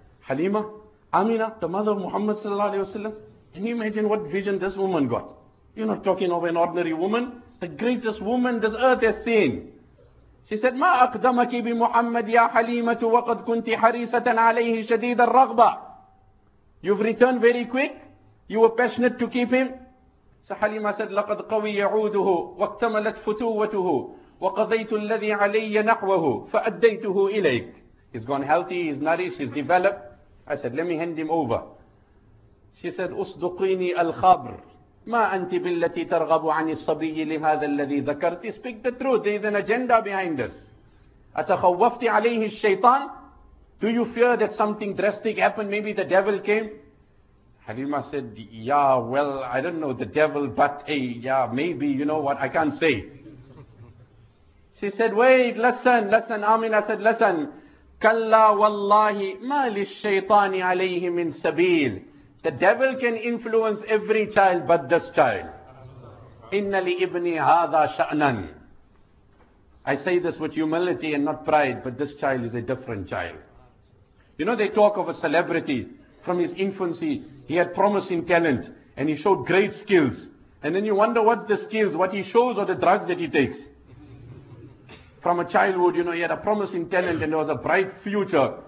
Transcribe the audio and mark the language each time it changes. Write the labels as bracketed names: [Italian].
[English] Halima, Amina, the mother of Muhammad sallallahu alayhi wa sallam, can you imagine what vision this woman got? You're not talking of an ordinary woman. The greatest woman this earth has seen. [Arabic] She said, مَا أَقْدَمَكِ بِمُحَمَّدْ يَا حَلِيمَةُ وَقَدْ كُنْتِ حَرِيسَةً عَلَيْهِ شَدِيدَ الرَّغْبَةِ [English] You've returned very quick. You were passionate to keep him. So Halima said, [Arabic] لَقَدْ قَوِي عُودُهُ وَاكْتَمَلَتْ فُتُوَّتُهُ وَقَضَيْتُ الَّذِي عَلَيَّ نَحْوَهُ فَأَدَّيْتُهُ إِلَيْكَ [English] He's gone healthy, he's nourished, he's developed. I said, let me hand him over. [Arabic] She said, أصدقيني الخبر ما أنت بالتي ترغب عن الصبي لهذا الذي ذكرت [English] Speak the truth. There is an agenda behind this. [Arabic] أتخوفت عليه الشيطان [English] Do you fear that something drastic happened? Maybe the devil came? Halima said, yeah, well, I don't know the devil, but hey, yeah, maybe, you know what, I can't say. She said, wait, listen, Amina said, listen. [Arabic] كلا والله ما للشيطان عليه من سبيل [English] The devil can influence every child but this child. [Arabic] إِنَّ لِإِبْنِي هَذَا شَأْنًا [English] I say this with humility and not pride, but this child is a different child. You know, they talk of a celebrity from his infancy. He had promising talent and he showed great skills. And then you wonder what's the skills, what he shows or the drugs that he takes. From a childhood, you know, he had a promising talent and there was a bright future.